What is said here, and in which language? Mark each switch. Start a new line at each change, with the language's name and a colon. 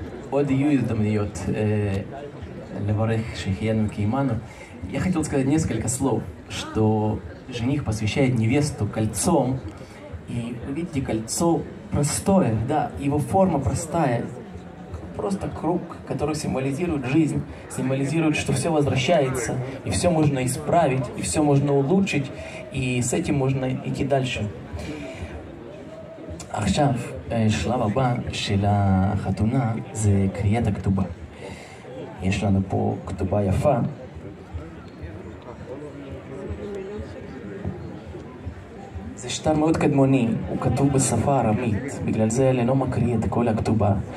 Hebrew: עוד יהיו הזדמנויות לברך שהחיינו קיימנו.
Russian: Я хотел сказать несколько слов, что жених посвящает невесту кольцом. И вы видите, кольцо простое, да, его форма простая. Просто круг, который символизирует жизнь, символизирует, что все возвращается, и все можно исправить, и все можно улучшить, и с этим можно идти дальше.
Hebrew: עכשיו, השלב הבא של החתונה זה קריאת הכתובה. יש לנו פה כתובה יפה. זה שטר מאוד קדמוני, הוא כתוב בשפה ארמית, בגלל זה אני לא מקריא את כל הכתובה.